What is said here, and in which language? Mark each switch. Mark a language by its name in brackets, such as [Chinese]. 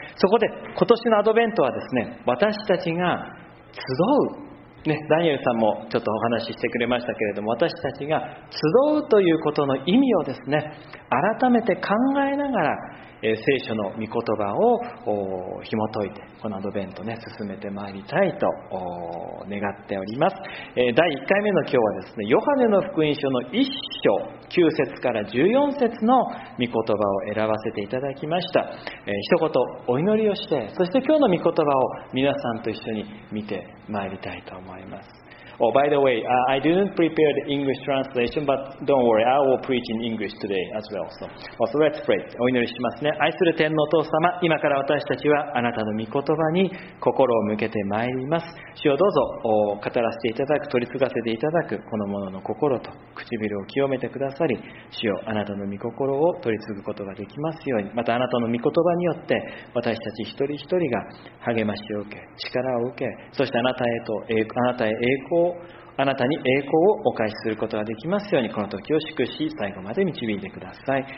[Japanese] そこで今年のアドベントはですね、私たちが集う、ね、ダニエルさんもちょっとお話ししてくれましたけれども、私たちが集うということの意味をですね、改めて考えながら聖書の御言葉を紐解いて、このアドベントね、進めてまいりたいと願っております。第1回目の今日はですね、ヨハネの福音書の1章9節から14節の御言葉を選ばせていただきました。一言お祈りをして、そして今日の御言葉を皆さんと一緒に見てまいりたいと思います。 [English] Oh, by the way, I didn't prepare the English translation, but don't worry, I will preach in English today as well. So let's pray. [Japanese] お祈りしますね。愛する天のお父様、今から私たちはあなたの御言葉に心を向けてまいります。主をどうぞ語らせていただく、取り継がせていただく、この者の心と唇を清めてくださり、主よ、あなたの御心を取り継ぐことができますように、またあなたの御言葉によって私たち一人一人が励ましを受け、力を受け、そしてあなたへ栄光、あなたに栄光をお返しすることができますように、この時を祝し、最後まで導いてください。